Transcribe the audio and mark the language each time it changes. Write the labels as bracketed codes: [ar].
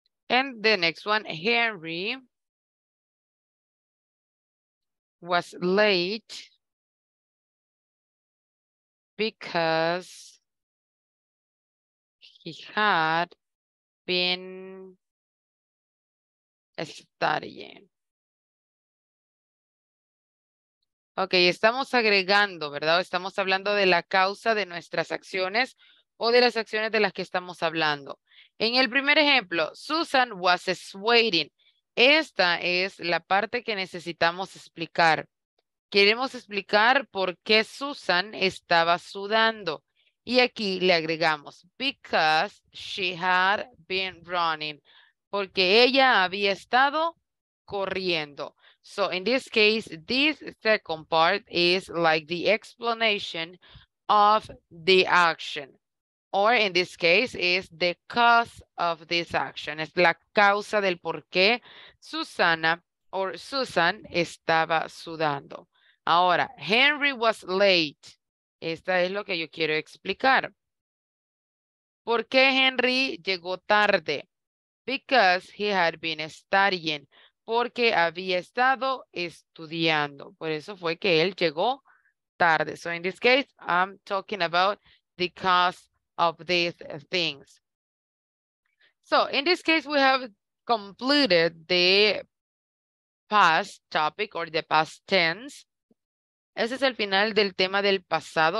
[en] And the next one, Henry was late because he had been studying. [es] Okay, estamos agregando, ¿verdad? Estamos hablando de la causa de nuestras acciones o de las acciones de las que estamos hablando. En el primer ejemplo, [en] Susan was sweating. [es] Esta es la parte que necesitamos explicar. Queremos explicar por qué Susan estaba sudando. Y aquí le agregamos, [en] because she had been running. [es] Porque ella había estado corriendo. [en] So in this case, this second part is like the explanation of the action. Or in this case, is the cause of this action. [es] Es la causa del por qué Susana [en] or [es] Susan estaba sudando. Ahora, [en] Henry was late. [es] Esta es lo que yo quiero explicar. ¿Por qué Henry llegó tarde? [en] Because he had been studying, [es] porque había estado estudiando. Por eso fue que él llegó tarde. [en] So in this case, I'm talking about the cause of these things. So in this case, we have completed the past topic or the past tense. [es] Ese es el final del tema del pasado.